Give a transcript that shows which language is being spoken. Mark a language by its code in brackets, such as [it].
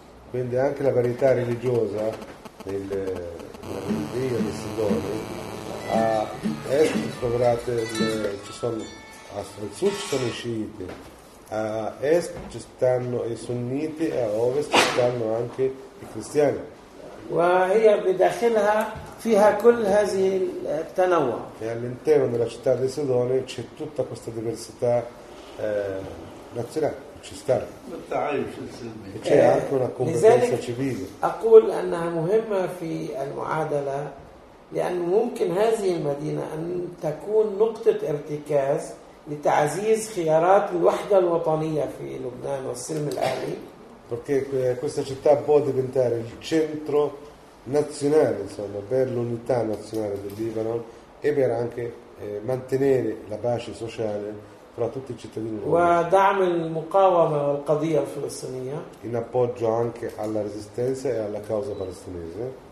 [it] Quindi anche la varietà religiosa nella regione di Sidone, a est trovate ci sono, a sud ci sono i sciiti, a est ci stanno i sunniti e a ovest ci stanno anche i cristiani. [ar] وهي بداخلها فيها كل هذه التنوع. [it] في all'interno della città di Sidone c'è tutta questa diversità nazionale, ci sta. [ar] التعايش [it] السلمي. C'è anche una civile. [ar] أقول أنها مهمة في المعادلة لأن ممكن هذه المدينة أن تكون نقطة ارتكاز لتعزيز خيارات الوحدة الوطنية في لبنان والسلم الأهلي. [it] Perché questa città può diventare il centro nazionale, insomma, per l'unità nazionale del Libano e per anche mantenere la pace sociale fra tutti i cittadini. In appoggio anche alla resistenza e alla causa palestinese.